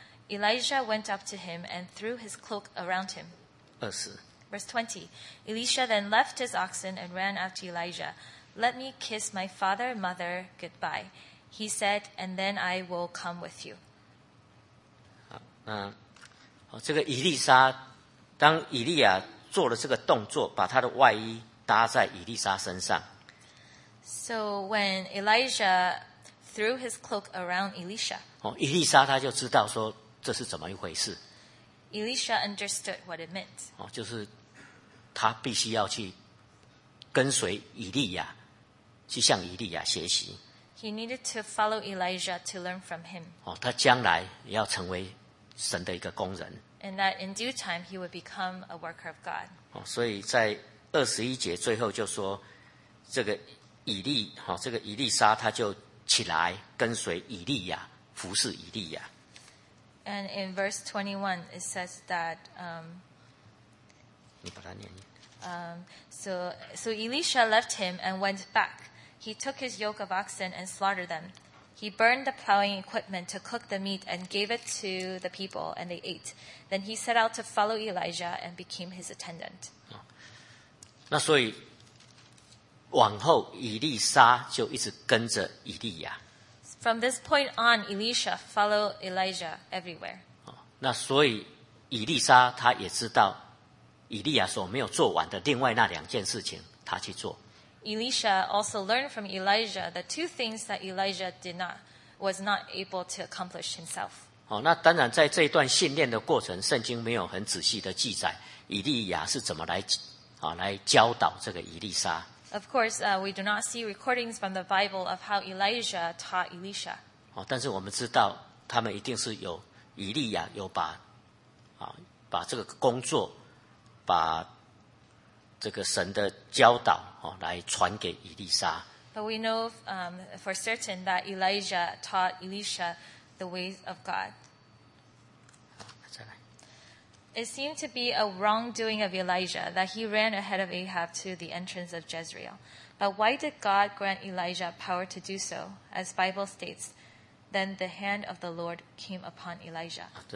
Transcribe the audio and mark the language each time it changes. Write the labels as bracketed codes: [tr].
[en] Elijah went up to him and threw his cloak around him. 20. Verse 20. Elisha then left his oxen and ran after Elijah. Let me kiss my father and mother goodbye. He said, and then I will come with you. [zh] 这个以利沙，当以利亚做了这个动作，把他的外衣搭在以利沙身上。 [en] So when Elijah threw his cloak around Elisha, [zh] 以利沙他就知道说这是怎么一回事。 [en] Elisha understood what it meant. [zh] 就是他必须要去跟随以利亚，去向以利亚学习。 [en] He needed to follow Elijah to learn from him. [zh] 他将来也要成为神的一个工人。 [en] And that in due time he would become a worker of God. [zh] 所以在二十一节最后就说，这个以利沙他就起来跟随以利亚，服侍以利亚。 [en] And in verse 21 it says that. [zh] 你把它念。 [en] So Elisha left him and went back. He took his yoke of oxen and slaughtered them. He burned the plowing equipment to cook the meat and gave it to the people, and they ate. Then he set out to follow Elijah and became his attendant. [zh] 那所以往后以利沙就一直跟着以利亚。 [en] From this point on, Elisha followed Elijah everywhere. [zh] 那所以以利沙他也知道以利亚所没有做完的另外那两件事情，他去做。 [en] Elisha also learned from Elijah the two things that Elijah was not able to accomplish himself. [zh] 那当然在这一段训练的过程，圣经没有很仔细的记载以利亚是怎么 来教导这个以利沙。 [en] Of course, we do not see recordings from the Bible of how Elijah taught Elisha. [zh] 但是我们知道他们一定是有以利亚有把这个工作把这个神的教导来传给以利沙。 [en] But we know for certain that Elijah taught Elisha the ways of God. [zh] 再来。 [en] It seemed to be a wrongdoing of Elijah that he ran ahead of Ahab to the entrance of Jezreel. But why did God grant Elijah power to do so? As Bible states, then the hand of the Lord came upon Elijah.